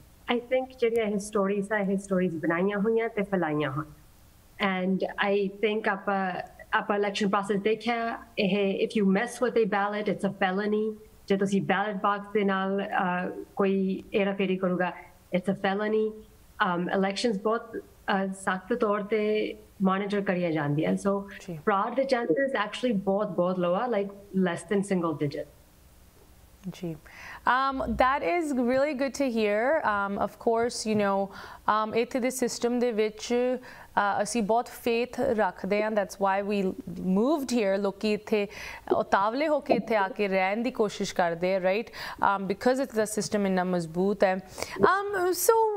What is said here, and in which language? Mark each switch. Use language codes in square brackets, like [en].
[pa] I think ਜਿਹੜੀਆਂ ਇਹ stories ਆ, ਇਹ ਸਟੋਰੀਜ਼ ਬਣਾਈਆਂ ਹੋਈਆਂ ਅਤੇ ਫੈਲਾਈਆਂ ਹਨ, ਐਂਡ ਆਈ ਥਿੰਕ ਆਪਾਂ ਇਲੈਕਸ਼ਨ ਪ੍ਰੋਸੈਸ ਦੇਖਿਆ, ਇਹ [en] if you miss with a ballot it's a felony, [pa] ਜੇ ਤੁਸੀਂ ਬੈਲਟ ਬਾਕਸ ਦੇ ਨਾਲ ਕੋਈ ਏਰਾ ਫੇਰੀ ਕਰੂਗਾ [en] It's a felony. [pa] ਇਲੈਕਸ਼ਨਸ ਬਹੁਤ ਸਖਤ ਤੌਰ 'ਤੇ ਮੋਨੀਟਰ ਕਰੀਆਂ ਜਾਂਦੀਆਂ, ਸੋ ਫਰਾਡ ਦੇ ਚਾਂਸਿਸ ਐਕਚੁਲੀ ਬਹੁਤ ਬਹੁਤ ਲੋ ਆ, [en] Like less than single digit. ਜੀ, that is really good to hear. Of course, you know, [pa] ਇੱਥੇ ਦੇ ਸਿਸਟਮ ਦੇ ਵਿੱਚ ਅਸੀਂ ਬਹੁਤ ਫੇਥ ਰੱਖਦੇ ਹਾਂ, [en] that's why we moved here, [pa] ਲੋਕ ਇੱਥੇ ਉਤਾਵਲੇ ਹੋ ਕੇ ਇੱਥੇ ਆ ਕੇ ਰਹਿਣ ਦੀ ਕੋਸ਼ਿਸ਼ ਕਰਦੇ ਆ, ਰਾਈਟ? ਬਿਕੋਜ਼ ਇੱਥੇ ਦਾ ਸਿਸਟਮ ਇੰਨਾ ਮਜ਼ਬੂਤ ਹੈ. ਸੋ